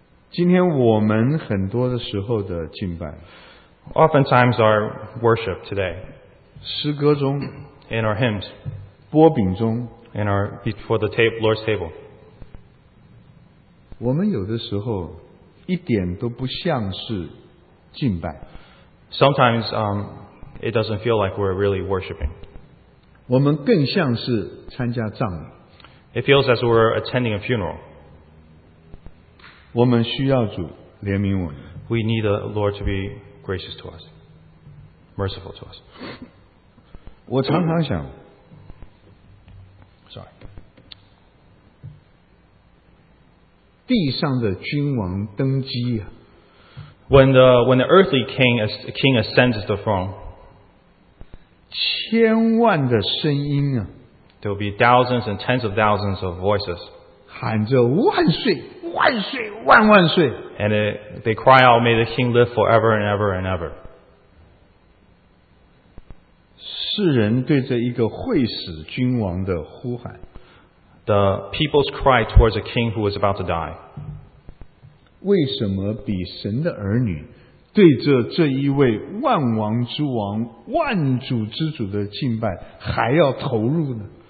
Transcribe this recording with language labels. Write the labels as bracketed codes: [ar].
[zh] 今天我们很多的时候的敬拜。 [en] Oftentimes our worship today. [zh] 诗歌中。 [en] In our hymns. [zh] 钵饼中。 [en] In our, before the table, Lord's table. [zh] 我们有的时候一点都不像是敬拜。 [en] Sometimes, it doesn't feel like we're really worshiping. [zh] 我们更像是参加葬礼。 [en] It feels as we're attending a funeral. [zh] 我们需要主怜悯我们。 [en] We need the Lord to be gracious to us, merciful to us. [zh] 我常常想地上的君王登基啊。 [en] When the earthly king ascends the throne, [zh] 千万的声音啊。 [en] There will be thousands and tens of thousands of voices. [zh] 喊着万岁万岁万万岁。 [en] And they cry out, may the king live forever and ever and ever. [zh] 世人对着一个会死君王的呼喊。 [en] The people's cry towards a king who was about to die. [zh] 为什么比神的儿女对着这一位万王之王、万主之主的敬拜还要投入呢？